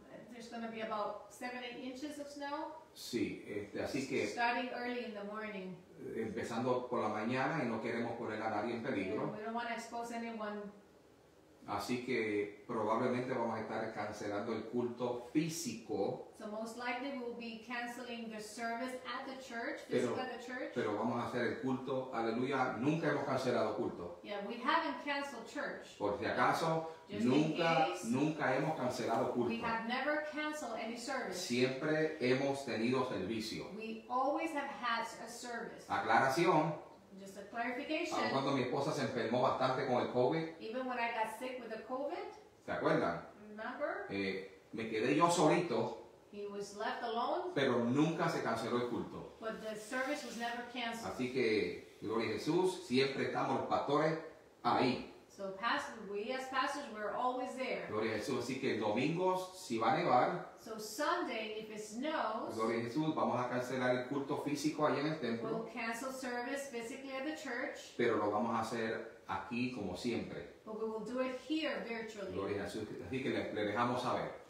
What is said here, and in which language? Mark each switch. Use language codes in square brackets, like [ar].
[en] There's going to be about 7-8 inches of snow. [es] Sí, así que [en] starting early in the morning. [es] Empezando por la mañana y no queremos poner a nadie en peligro. [en] We don't want to expose anyone. [es] Así que probablemente vamos a estar cancelando el culto físico. [en] So most likely we'll be canceling the service at the church, physically at the church. [es] Pero vamos a hacer el culto, aleluya, nunca hemos cancelado culto. [en] Yeah, we haven't canceled church. [es] Por si acaso, nunca hemos cancelado culto. [en] We have never canceled any service. [es] Siempre hemos tenido servicio. [en] We always have had a service. [es] Aclaración. [en] Just a clarification. [es] Aun cuando mi esposa se enfermó bastante con el COVID. [en] Even when I got sick with the COVID. [es] ¿Se acuerdan? [en] Remember? [es] Me quedé yo solito. [en] He was left alone. [es] Pero nunca se canceló el culto. [en] But the service was never canceled. [es] Así que, gloria a Jesús, siempre estamos los pastores ahí. [en] So pastor, we as pastors, we're always there. [es] Gloria a Jesús, así que domingos, si va a nevar. [en] So Sunday, if it snows. [es] Gloria a Jesús, vamos a cancelar el culto físico ahí en el templo. [en] We'll cancel service physically at the church. [es] Pero lo vamos a hacer aquí como siempre. [en] But we will do it here virtually. [es] Gloria a Jesús, así que le dejamos saber.